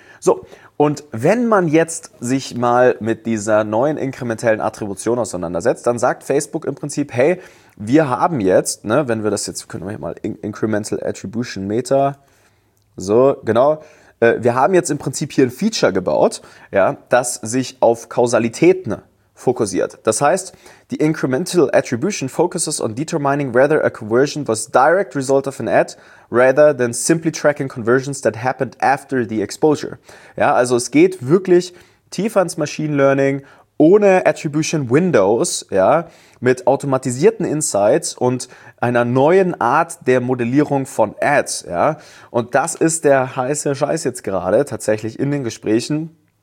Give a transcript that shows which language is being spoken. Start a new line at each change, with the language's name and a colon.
German: So, und wenn man jetzt sich mal mit dieser neuen inkrementellen Attribution auseinandersetzt, dann sagt Facebook im Prinzip, hey, Wir haben jetzt, ne, wenn wir das jetzt, können wir hier mal Incremental Attribution Meta, so, genau. Wir haben jetzt im Prinzip hier ein Feature gebaut, ja, das sich auf Kausalitäten fokussiert. Das heißt,
English: the incremental attribution focuses on determining whether a conversion was direct result of an ad rather than simply tracking conversions that happened after the exposure.
German: Ja, also es geht wirklich tief ans Machine Learning ohne Attribution Windows, ja, mit automatisierten Insights und einer neuen Art der Modellierung von Ads, ja. Und das ist der heiße Scheiß jetzt gerade tatsächlich in den Gesprächen.